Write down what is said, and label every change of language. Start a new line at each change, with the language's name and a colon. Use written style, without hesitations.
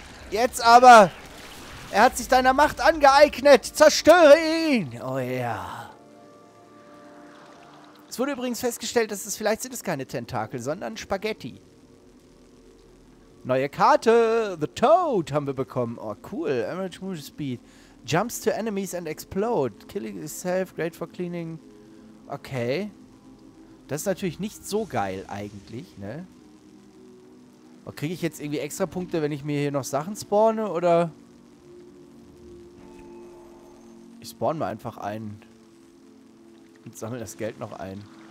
German: Jetzt aber! Er hat sich deiner Macht angeeignet! Zerstöre ihn! Oh ja. Yeah. Es wurde übrigens festgestellt, dass es vielleicht sind es keine Tentakel, sondern Spaghetti. Neue Karte! The Toad haben wir bekommen.
English: Oh cool, Emerald Move Speed. Jumps to enemies and explode. Killing itself, great for cleaning.
German: Okay. Das ist natürlich nicht so geil eigentlich, ne? Oh, kriege ich jetzt irgendwie extra Punkte, wenn ich mir hier noch Sachen spawne, oder? Ich spawne mal einfach einen. Und sammle das Geld noch ein.